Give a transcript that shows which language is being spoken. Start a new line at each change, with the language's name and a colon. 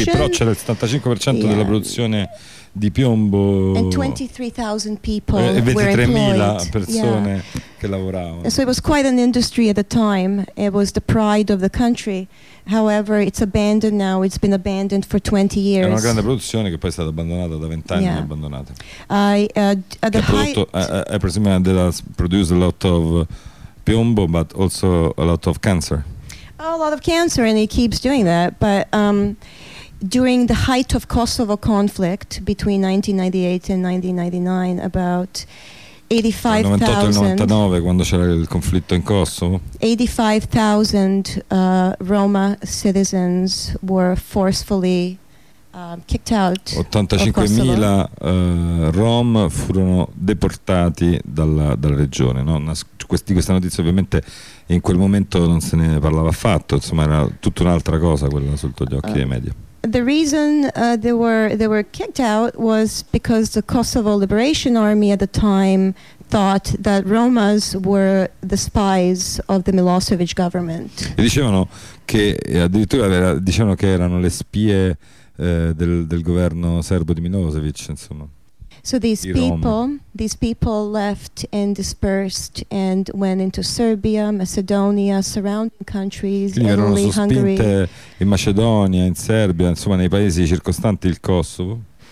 Italian: Sì, però c'era il 75% della produzione di piombo.
English: And 23,000 people were employed.
Italian: 23,000 persone che lavoravano.
English: And so it was quite an industry at the time. It was the pride of the country. However, it's abandoned now. It's been abandoned for 20 years.
Italian: È una grande produzione che poi è stata abbandonata da 20 anni.
English: Yeah.
Italian: Abbandonata.
English: I presume that has produced a lot of piombo, but also a lot of cancer. A lot of cancer, and it keeps doing that. But during the height of Kosovo conflict between 1998 and 1999, about
Italian: 85,000, quando c'era il conflitto in Kosovo,
English: 85,000 Roma citizens were forcefully kicked out.
Italian: 85,000 Rom furono deportati dalla regione, no? Questa notizia ovviamente in quel momento non se ne parlava affatto, insomma era tutta un'altra cosa quella sotto gli occhi dei media.
English: The reason they were kicked out was because the Kosovo Liberation Army at the time thought that Romas were the spies of the Milosevic government.
Italian: E dicevano che addirittura dicevano che erano le spie del governo serbo di Milosevic, insomma.
English: So these people left and dispersed and went into Serbia, Macedonia, surrounding countries, Italy,
Italian: Hungary. Quindi erano sospinte in Macedonia, in Serbia, insomma nei paesi circostanti il Kosovo.